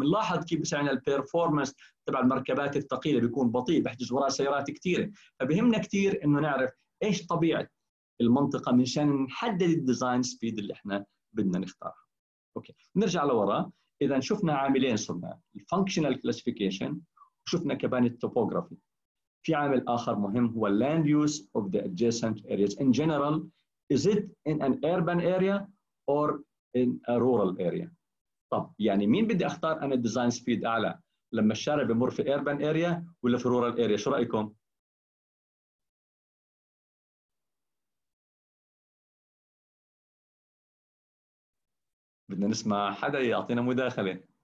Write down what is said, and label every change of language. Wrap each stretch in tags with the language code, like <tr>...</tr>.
<ar>ونلاحظ كيف بسعنا البرفورمانس تبع المركبات الثقيلة بيكون بطيء، بحجز وراء سيارات كثيرة. فبهمنا كثير إنه نعرف إيش طبيعة المنطقة منشان نحدد الديزاين سبيد اللي إحنا بدنا نختارها. أوكي، نرجع لورا. إذا شفنا عاملين، صرنا الفانكشنال كلاسيفيكيشن، وشفنا كمان التوبوغرافي. في عامل آخر مهم هو</ar> <en>land use of the adjacent areas. In general, is it in an urban area or in a rural area؟</en> <ar>طب يعني مين بدي أختار أنا design speed أعلى؟ لما الشارع بمر في urban area ولا في rural area؟ شو رأيكم؟ بدنا نسمع حدا يعطينا مداخلة.</ar>